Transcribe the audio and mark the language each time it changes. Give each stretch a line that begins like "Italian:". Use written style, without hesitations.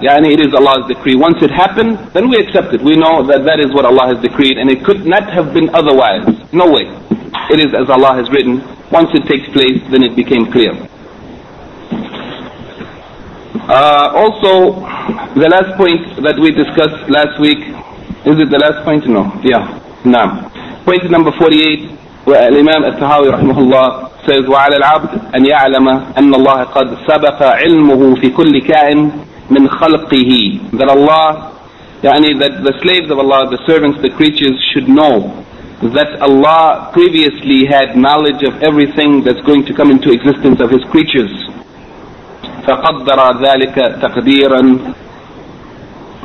English: Yani, it is Allah's decree. Once it happened, then we accept it. We know that that is what Allah has decreed, and it could not have been otherwise. No way. It is as Allah has written. Once it takes place, then it became clear. Also, the last point that we discussed last week, is it the last point? No. Yeah. No. Point number 48, where Imam al-Tahawi rahimahullah says,
Arabic: وَعَلَى الْعَبْدِ أَنْ يَعْلَمَ أَنَّ اللَّهَ قَدْ سَبَقَ عِلْمُهُ فِي كُلِّ كَائِنٍ مِنْ خَلْقِهِ.
English: That Allah, that the slaves of Allah, the servants, the creatures, should know that Allah previously had knowledge of everything that's going to come into existence of His creatures.
Arabic: فَقَدَّرَ ذَلِكَ تَقْدِيرًا